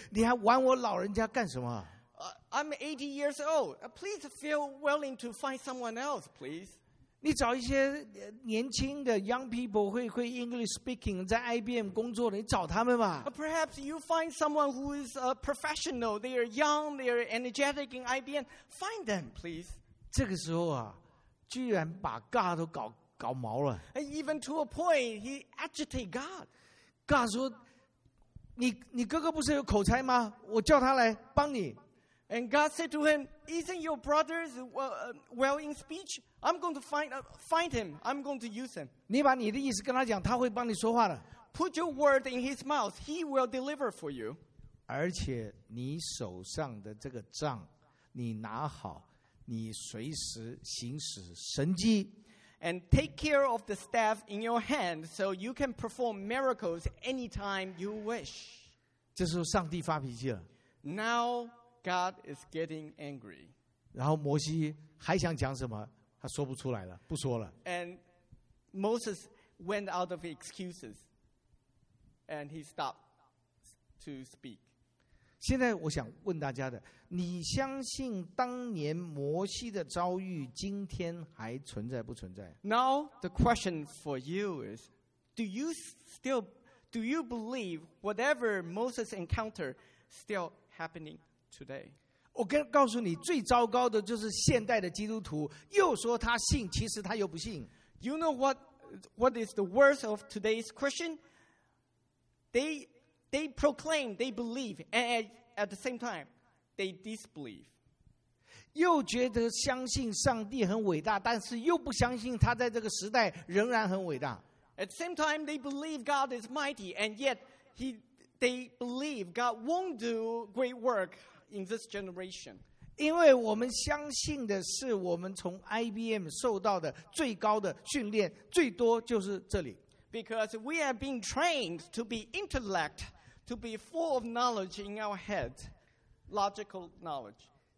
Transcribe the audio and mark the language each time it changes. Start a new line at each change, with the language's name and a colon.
Chinese: 哎呀，你打发，你想找谁就找谁吧。我80岁了，你还玩我老人家干什么？
English: I'm 80 years old. Please feel willing to find someone else, please.
Chinese: 你找一些年轻的
English: young people
Chinese: 会
English: English speaking
Chinese: 在 IBM 工作的，你找他们吧。
English: Perhaps you find someone who is a professional. They are young. They are energetic in IBM. Find them, please.
Chinese: 这个时候啊，居然把God都搞。搞毛了。
English: Even to a point, he agitated God.
Chinese: God 说，你哥哥不是有口才吗？我叫他来帮你。
English: And God said to him, isn't your brother well in speech? I'm going to find him. I'm going to use him.
Chinese: 你把你的意思跟他讲, 他会帮你说话的。
English: Put your word in his mouth. He will deliver for you.
Chinese: 而且你手上的这个杖, 你拿好, 你随时行使神迹。
English: And take care of the staff in your hand so you can perform miracles anytime you wish.
Chinese: 这时候上帝发脾气了。
English: Now God is getting angry.
Chinese: 然后摩西还想讲什么?他说不出来了, 不说了。
English: And Moses went out of excuses and he stopped to speak.
Chinese: 现在我想问大家的, 你相信当年摩西的遭遇, 今天还存在不存在?
English: Now the question for you is, do you believe whatever Moses encountered still happening today?
Chinese: 我告诉你, 最糟糕的就是现代的基督徒, 又说他信, 其实他又不信。
English: You know what is the worst of today's Christian? They proclaim, they believe, and at the same time, they disbelieve.
Chinese: 又觉得相信上帝很伟大, 但是又不相信他在这个时代仍然很伟大。
English: At the same time, they believe God is mighty, and yet they believe God won't do great work in this generation.
Chinese: 因为我们相信的是我们从 IBM 受到的最高的训练,最多就是这里。
English: Because we have been trained to be intellect, to be full of knowledge in our head, logical knowledge.